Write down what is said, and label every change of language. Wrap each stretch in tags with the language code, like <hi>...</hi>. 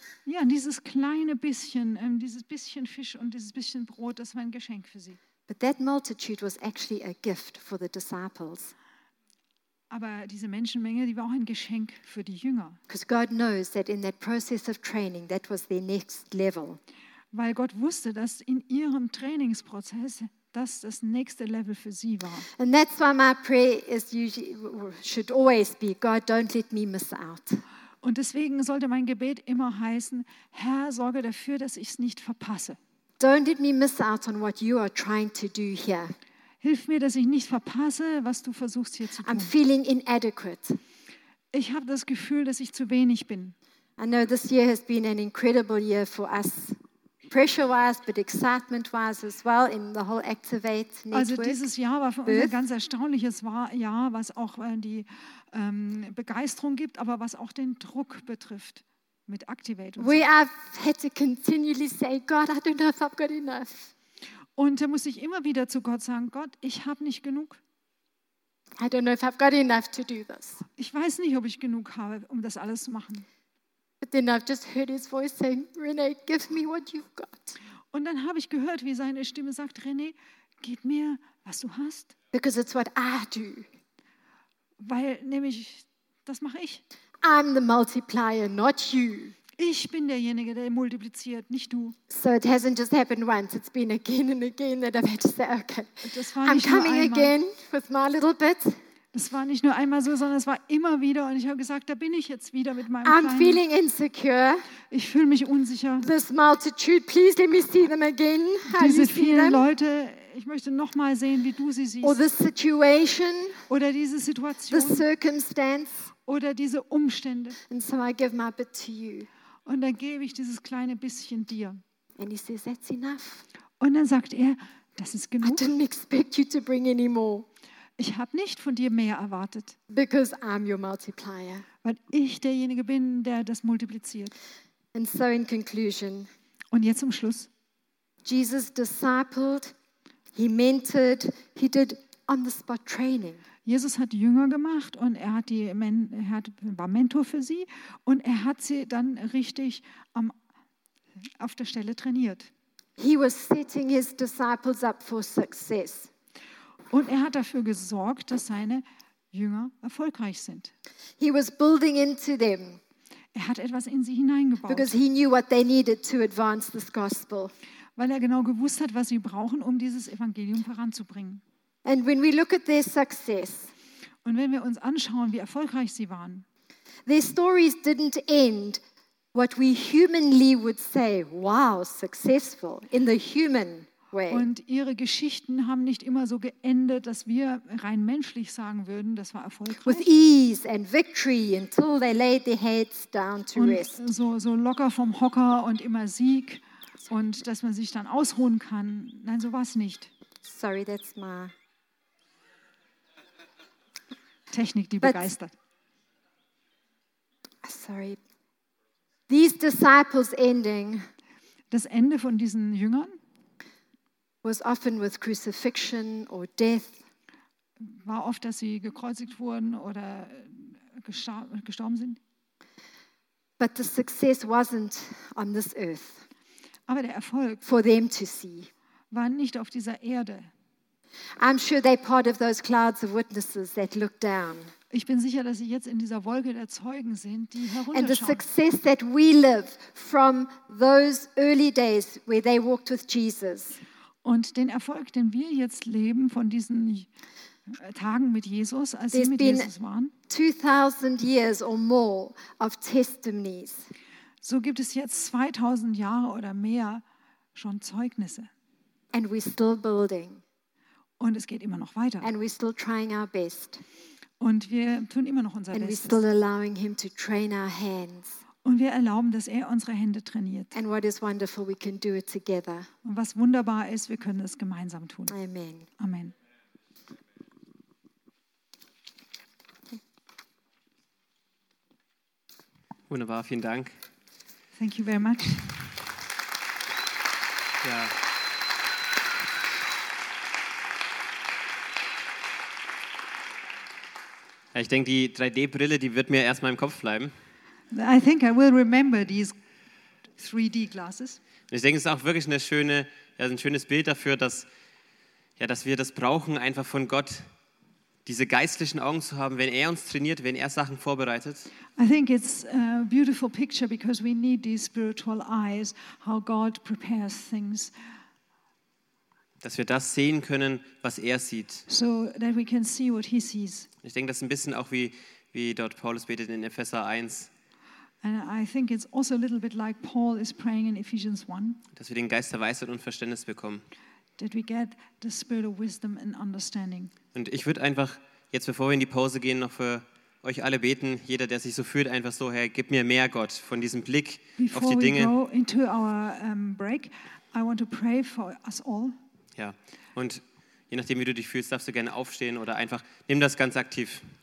<de>Ja, dieses kleine bisschen, dieses bisschen Fisch und dieses bisschen Brot, das war ein Geschenk für sie.</de> <en>But that multitude was actually a gift for the disciples.</en> <de>Aber diese Menschenmenge, die war auch ein Geschenk für die Jünger.</de> <en>Because God knows that in that process of training, that was their next level.</en> <de>Weil Gott wusste, dass in ihrem Trainingsprozess das nächste Level für sie war.</de> <en>And that's why my prayer is usually, should always be, God, don't let me miss out.</en> <de>Und deswegen sollte mein Gebet immer heißen, Herr, sorge dafür, dass ich es nicht verpasse.</de> <en>Don't let me miss out on what you are trying to do here.</en> <de>Hilf mir, dass ich nicht verpasse, was du versuchst hier zu tun.</de> <en>I'm feeling inadequate.</en> <de>Ich habe das Gefühl, dass ich zu wenig bin.</de> <en>I know this year has been an incredible year for us, pressure-wise, but excitement-wise as well in the whole Activate Network.</en> <de>Also dieses Jahr war für uns ein ganz erstaunliches Jahr, was auch die Begeisterung gibt, aber was auch den Druck betrifft. Mit Activate und so.</de> <en>I've had to continually say, God, I don't know if I've got enough.</en> <de>Und da muss ich immer wieder zu Gott sagen, Gott, ich habe nicht genug.</de> <en>I don't know if I've got enough to do this.</en> <de>Ich weiß nicht, ob ich genug habe, um das alles zu machen.</de> <en>But then I've just heard his voice saying, Renee, give me what you've got.</en> <de>Und dann habe ich gehört, wie seine Stimme sagt, Renee, gib mir, was du hast.</de> <en>Because it's what I do.</en> <de>Weil nämlich, das mache ich.</de> <en>I'm the multiplier, not you.</en> <de>Ich bin derjenige, der multipliziert, nicht du.</de> <en>So it hasn't just happened once, it's been again and again that I've had to say, okay, I'm coming again with my little bit.</en> <de>Das war nicht nur einmal so, sondern es war immer wieder und ich habe gesagt, da bin ich jetzt wieder mit meinem kleinen.</de> <en>I'm feeling insecure.</en> <de>Ich fühle mich unsicher.</de> <en>This multitude, please let me see them again.</en> <de>Diese vielen Leute, ich möchte noch mal sehen, wie du sie siehst.</de> <en>Or this situation.</en> <de>Oder diese Situation.</de> <en>The circumstance.</en> <de>Oder diese Umstände.</de> <en>And so I give my bit to you.</en> <de>Und dann gebe ich dieses kleine bisschen dir.</de> <en>And he says, that's enough.</en> <de>Und dann sagt er, das ist genug.</de> <en>I didn't expect you to bring any more.</en> <de>Ich habe nicht von dir mehr erwartet.</de> <en>Because I'm your multiplier.</en> <de>Weil ich derjenige bin, der das multipliziert.</de> <en>And so in conclusion,</en> <de>und jetzt zum Schluss.</de> <en>Jesus discipled, He mentored, he did on the spot training.</en> <de>Jesus hat Jünger gemacht und er hat die war Mentor für sie und er hat sie dann richtig auf der Stelle trainiert.</de> <en>He was setting his disciples up for success.</en> <de>Und er hat dafür gesorgt, dass seine Jünger erfolgreich sind.</de> <en>He was building into them.</en> <de>Er hat etwas in sie hineingebaut.</de> <en>Because he knew what they needed to advance this gospel.</en> <de>Weil er genau gewusst hat, was sie brauchen, um dieses Evangelium voranzubringen.</de> <en>And when we look at their success,</en> <de>und wenn wir uns anschauen, wie erfolgreich sie waren,</de> <en>their stories didn't end what we humanly would say, wow, successful, in the human way.</en> <de>Und ihre Geschichten haben nicht immer so geendet, dass wir rein menschlich sagen würden, das war erfolgreich.</de> <en>With ease and victory until they laid their heads down to rest.</en> <de>Und so locker vom Hocker und immer Sieg. Und dass man sich dann ausruhen kann. Nein, so war es nicht.</de> <en>Sorry, that's my...</en> <de>Technik, die begeistert.</de> <en>Sorry. These disciples ending...</en> <de>Das Ende von diesen Jüngern...</de> <en>was often with crucifixion or death.</en> <de>War oft, dass sie gekreuzigt wurden oder gestorben sind.</de> <en>But the success wasn't on this earth.</en> <de>Aber der Erfolg</de> <en>for them to see.</en> <de>War nicht auf dieser Erde.</de> <en>I'm sure they're part of those clouds of witnesses that look down.</en> <de>Ich bin sicher, dass sie jetzt in dieser Wolke der Zeugen sind, die herunterschauen.</de> <en>And the success that we live from those early days where they walked with Jesus.</en> <de>Und den Erfolg, den wir jetzt leben von diesen Tagen mit Jesus, als</de> <en>there's</en> <de>sie mit</de> <en>been</en> <de>Jesus waren.</de> <en>2000 years or more of testimonies.</en> <de>So gibt es jetzt 2000 Jahre oder mehr schon Zeugnisse.</de> <en>And we're still building.</en> <de>Und es geht immer noch weiter.</de> <en>And we're still trying our best.</en> <de>Und wir tun immer noch unser</de> <en>And</en> <de>Bestes.</de> <en>We're still allowing him to train our hands.</en> <de>Und wir erlauben, dass er unsere Hände trainiert.</de> <en>And what is wonderful, we can do it together.</en> <de>Und was wunderbar ist, wir können es gemeinsam tun.</de> <en>Amen.</en> <de>Amen. Wunderbar, vielen Dank.</de> <en>Thank you very much.</en> <de>Ja. Ja, ich denke, die 3D-Brille, die wird mir erstmal im Kopf bleiben.</de> <en>I think I will remember these 3D-Glasses.</en> <de>Ich denke, es ist auch wirklich ein schönes Bild dafür, dass wir das brauchen, einfach von Gott diese geistlichen Augen zu haben, wenn er uns trainiert, wenn er Sachen vorbereitet.</de> <en>I think it's a beautiful picture because we need these spiritual eyes, how God prepares things.</en> <de>Dass wir das sehen können, was er sieht.</de> <en>So that we can see what he sees.</en> <de>Ich denke, das ist ein bisschen auch wie dort Paulus betet in Epheser 1.</de> <en>And I think it's also a little bit like Paul is praying in Ephesians 1.</en> <de>Dass wir den Geist der Weisheit und Verständnis bekommen.</de> <en>That we get the spirit of wisdom and understanding.</en> <de>Und ich würde einfach jetzt, bevor wir in die Pause gehen, noch für euch alle beten. Jeder, der sich so fühlt, einfach so: Herr, gib mir mehr, Gott, von diesem Blick</de> <en>Before</en> <de>auf die Dinge.</de> <en>Before we go into our break, I want to pray for us all.</en> <de>Ja. Und je nachdem, wie du dich fühlst, darfst du gerne aufstehen oder einfach nimm das ganz aktiv.</de>